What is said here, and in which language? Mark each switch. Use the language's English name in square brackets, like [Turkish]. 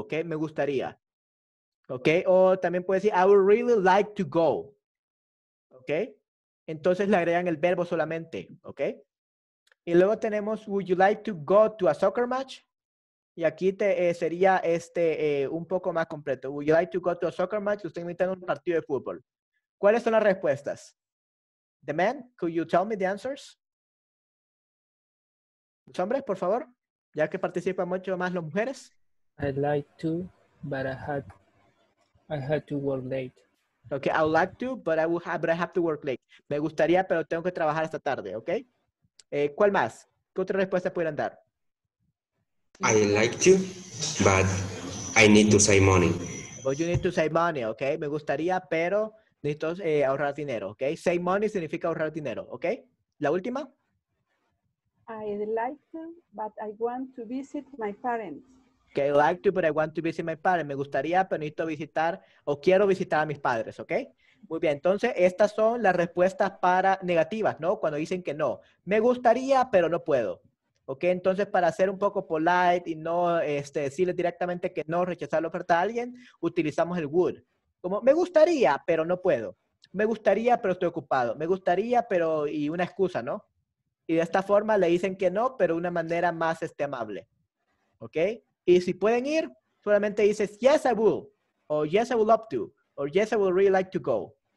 [English] Okay, [Spanish] me gustaría. [English] Okay, [Spanish] o también puede decir [English] I would really like to go. Okay, [Spanish] entonces le agregan el verbo solamente. [English] Okay, [Spanish] y luego tenemos [English] Would you like to go to a soccer match? [Spanish] Y aquí te sería este un poco más completo. [English] Would you like to go to a soccer match? [Spanish] Usted invita a un partido de fútbol. ¿Cuáles son las respuestas? [English] The men, could you tell me the answers? [Spanish] Los hombres, por favor, ya que participan mucho más las mujeres. [English] I'd like to, but I had to work late. Okay, I would like to, but I have to work late. [Spanish] Me gustaría, pero tengo que trabajar esta tarde, okay? ¿Cuál más? ¿Qué otra respuesta pueden dar? [English] I like to, but I need to save money. But you need to save money, okay? [Spanish] Me gustaría, pero necesito ahorrar dinero, [English] okay? [Spanish] Save money significa ahorrar dinero, okay? ¿La última? [English] I'd like to, but I want to visit my parents. Okay, I'd like to, but I want to visit my parents. [Spanish] Me gustaría, pero necesito visitar o quiero visitar a mis padres, ¿ok? Muy bien, entonces estas son las respuestas para negativas, ¿no? Cuando dicen que no. Me gustaría, pero no puedo. ¿Ok? Entonces, para ser un poco polite y no decirle directamente que no, rechazar la oferta a alguien, utilizamos el would. Como, me gustaría, pero no puedo. Me gustaría, pero estoy ocupado. Me gustaría, pero... y una excusa, ¿no? Y de esta forma le dicen que no, pero de una manera más amable. ¿Ok? Y si pueden ir, solamente dices, [English] yes, I will, o yes, I would love to, o yes, I would really like to go.